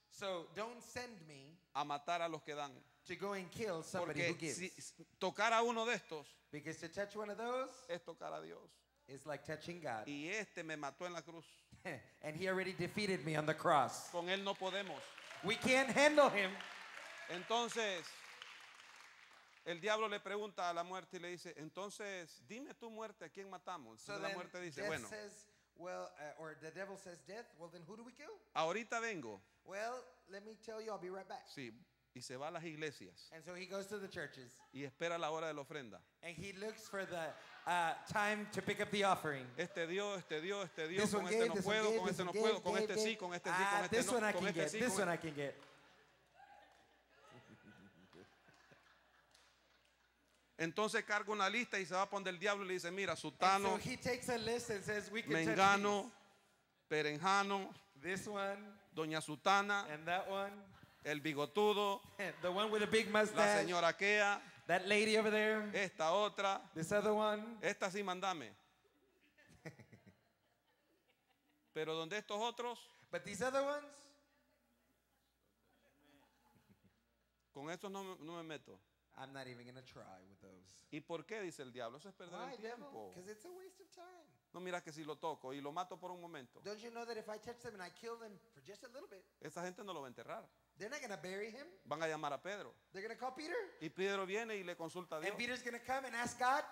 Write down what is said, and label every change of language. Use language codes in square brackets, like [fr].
[en] So don't send me [es] a matar a los que dan. [en] To go and kill somebody [es] porque [en] who gives. [es] Si, tocar a uno de estos, [en] because to touch one of those [es] es tocar a Dios. [en] Is like touching God. [es] Y este me mató en la cruz. [en] And he already defeated me on the cross. [es] Con él no podemos. [en] We can't handle him. [es] Entonces, el diablo le pregunta a la muerte y le dice, entonces, dime tu muerte, ¿a quién matamos? [en] So [es] la muerte dice, [en] death [es] bueno. [en] Says, well, or the devil says death, well then who do we kill? [es] Ahorita vengo. [en] Well, let me tell you, I'll be right back. [es] Sí. Y se va a las iglesias. [en] And so he goes to the churches. [es] Y espera la hora de la ofrenda. [en] And he looks for the time to pick up the offering. [es] Este Dios, con este no puedo, con este no puedo, con este sí, con este sí, con este no. [en] This one I can get. [es] Entonces carga una lista y se va a poner el diablo y le dice, mira, sutano, [en] so he takes a list and says, we can [es] mengano, perenjano, [en] this one, [es] doña sutana, [en] and that one, [es] el bigotudo, [en] the one with a big mustache, [es] la señora Kea, [en] that lady over there, [es] esta otra, [en] this other one, [es] esta sí, mandame. Pero donde estos otros, [en] but these other ones, [es] con estos no me meto. [en] I'm not even going to try with those. [es] ¿Y por qué, dice el diablo? Eso es perder [en] why, [es] el tiempo. [en] Because it's a waste of time. [es] No, mira que si lo toco y lo mato por un momento. [en] Don't you know that if I touch them and I kill them for just a little bit, [es] esa gente no lo va a enterrar. [en] They're not going to bury him. [es] Van a llamar a Pedro. [en] They're going to call Peter. [es] Y Pedro viene y le consulta a Dios. [en] And Peter's going to come and ask God.